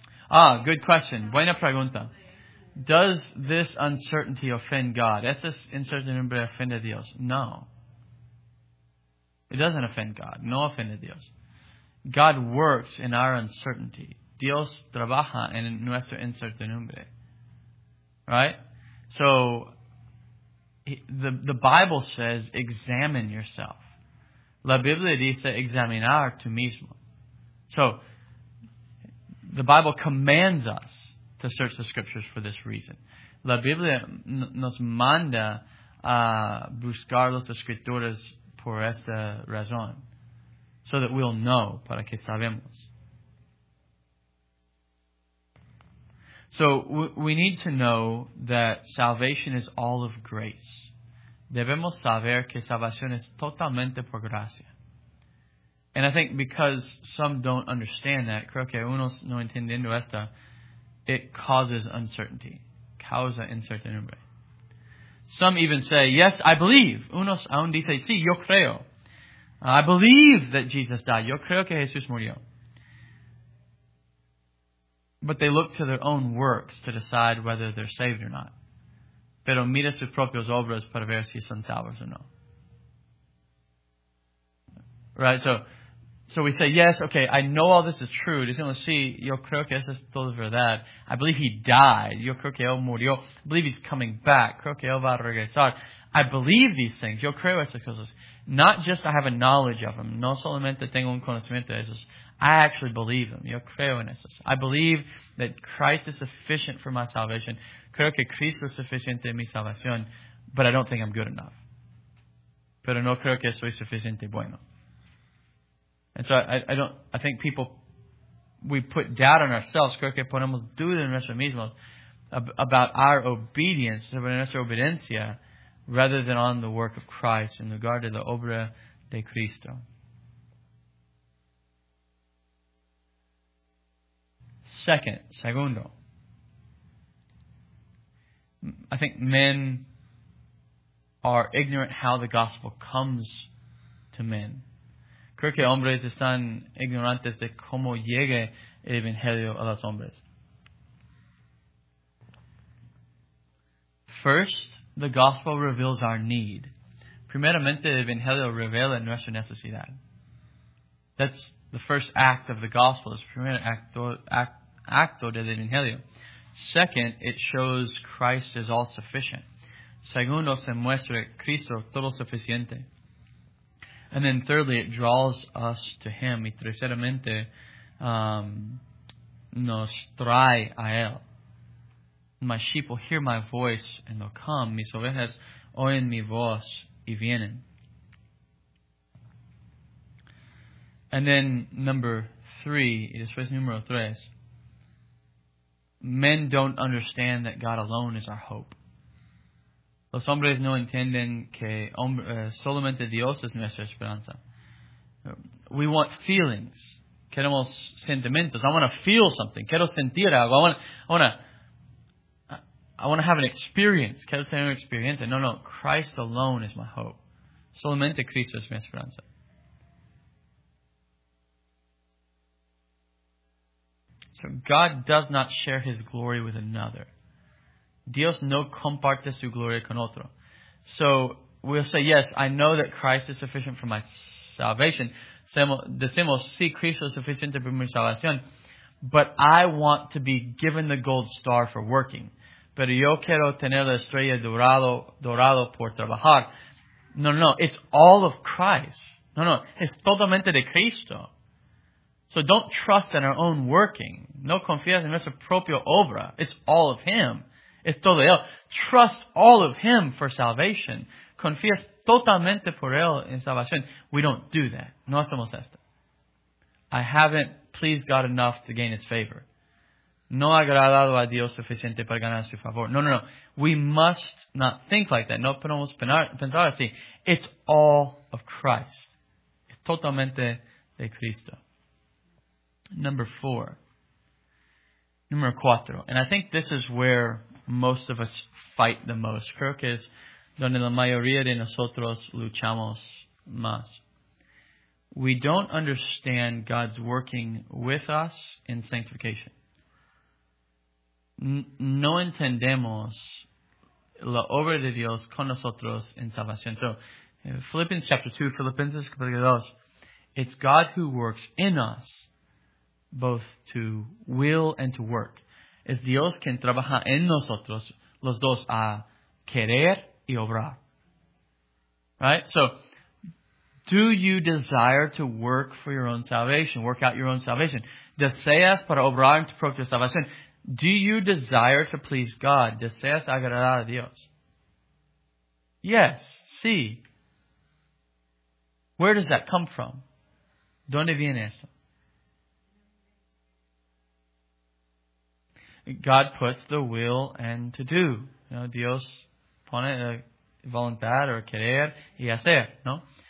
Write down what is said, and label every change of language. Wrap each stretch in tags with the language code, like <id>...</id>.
<en>Ah, good question.</en> <es>Buena pregunta.</es> <en>Does this uncertainty offend God?</en> <es>¿Esa incertidumbre ofende a Dios?</es> <en>No. It doesn't offend God.</en> <es>No ofende a Dios.</es> <en>God works in our uncertainty.</en> <es>Dios trabaja en nuestra incertidumbre.</es> <en>Right? So, the Bible says, examine yourself.</en> <es>La Biblia dice, examinar tú mismo.</es> <en>So, the Bible commands us to search the Scriptures for this reason.</en> <es>La Biblia nos manda a buscar las Escrituras por esta razón,</es> <en>so that we'll know,</en> <es>para que sabemos.</es> <en>So, we need to know that salvation is all of grace.</en> <es>Debemos saber que salvación es totalmente por gracia.</es> <en>And I think because some don't understand that,</en> <es>creo que unos no entendiendo esta,</es> <en>it causes uncertainty.</en> <es>Causa incertidumbre.</es> <en>Some even say, yes, I believe.</en> <es>Unos aún dicen, sí, yo creo.</es> <en>I believe that Jesus died.</en> <es>Yo creo que Jesús murió.</es> <en>But they look to their own works to decide whether they're saved or not.</en> <es>Pero mira sus propias obras para ver si son salvos o no.</es> <en>Right, So we say, yes, okay, I know all this is true.</en> <es>Decimos, sí, yo creo que eso es todo verdad.</es> <en>I believe he died.</en> <es>Yo creo que él murió.</es> <en>I believe he's coming back.</en> <es>Creo que él va a regresar.</es> <en>I believe these things.</en> <es>Yo creo esas cosas.</es> <en>Not just I have a knowledge of them.</en> <es>No solamente tengo un conocimiento de esos.</es> <en>I actually believe them.</en> <es>Yo creo en esos.</es> <en>I believe that Christ is sufficient for my salvation.</en> <es>Creo que Cristo es suficiente en mi salvación.</es> <en>But I don't think I'm good enough.</en> <es>Pero no creo que soy suficiente bueno.</es> <en>And so I think we put doubt on ourselves,</en> <es>creo que ponemos duda en nosotros mismos,</es> <en>about our obedience,</en> <es>sobre nuestra obediencia,</es> <en>rather than on the work of Christ in regard to the</en> <es>obra de Cristo.</es> <en>Segundo, I think men are ignorant how the gospel comes to men.</en> <es>creo que hombres están ignorantes de cómo llegue el evangelio a los hombres.</es> <en>First, the gospel reveals our need.</en> <es>Primeramente, el evangelio revela nuestra necesidad.</es> <en>That's the first act of the gospel. It's the</en> <es>primer acto del evangelio.</es> <en>Second, it shows Christ is all sufficient.</en> <es>Segundo, se muestra Cristo todo suficiente.</es> <en>And then thirdly, it draws us to Him.</en> <es>Y terceramente, nos trae a Él.</es> <en>My sheep will hear my voice and they'll come.</en> <es>Mis ovejas oyen mi voz y vienen.</es> <en>And then number three,</en> <es>y después número tres.</es> <en>Men don't understand that God alone is our hope.</en> <es>Los hombres no entienden que solamente Dios es nuestra esperanza.</es> <en>We want feelings.</en> <es>Queremos sentimientos.</es> <en>I want to feel something.</en> <es>Quiero sentir algo.</es> <en>I want to have an experience.</en> <es>Quiero tener una experiencia.</es> <en>No, no. Christ alone is my hope.</en> <es>Solamente Cristo es mi esperanza.</es> <en>So God does not share His glory with another.</en> <es>Dios no comparte su gloria con otro.</es> <en>So we'll say, yes, I know that Christ is sufficient for my salvation.</en> <es>Decimos, sí, Cristo es suficiente para mi salvación.</es> <en>But I want to be given the gold star for working.</en> <es>Pero yo quiero tener la estrella dorado por trabajar.</es> <en>No, it's all of Christ.</en> <es>No, es totalmente de Cristo.</es> <en>So don't trust in our own working.</en> <es>No confías en nuestra propia obra.</es> <en>It's all of Him.</en> <es>Es todo Él.</es> <en>Trust all of Him for salvation.</en> <es>Confías totalmente por Él en salvación.</es> <en>We don't do that.</en> <es>No hacemos esto.</es> <en>I haven't pleased God enough to gain His favor.</en> <es>No ha agradado a Dios suficiente para ganar su favor. No.</es> <en>We must not think like that.</en> <es>No podemos pensar así.</es> <en>It's all of Christ.</en> <es>Es totalmente de Cristo. Número cuatro.</es> <en>And I think this is where most of us fight the most.</en> <es>Creo que es donde la mayoría de nosotros luchamos más.</es> <en>We don't understand God's working with us in sanctification.</en> <es>No entendemos la obra de Dios con nosotros en salvación.</es> <en>So, Philippians chapter 2,</en> <es>Philippians capítulo 2.</es> <en>It's God who works in us both to will and to work.</en> <es>Es Dios quien trabaja en nosotros, los dos, a querer y obrar.</es> <en>Right? So, do you desire to work for your own salvation? Work out your own salvation.</en> <es>¿Deseas para obrar en tu propia salvación?</es> <en>Do you desire to please God?</en> <es>¿Deseas agradar a Dios?</es> <en>Yes.</en> <es>Sí.</es> <en>Where does that come from?</en> <es>¿Dónde viene esto?</es> <en>God puts the will and to do. You know,</en> <es>Dios pone la voluntad o querer y hacer, ¿no?</es>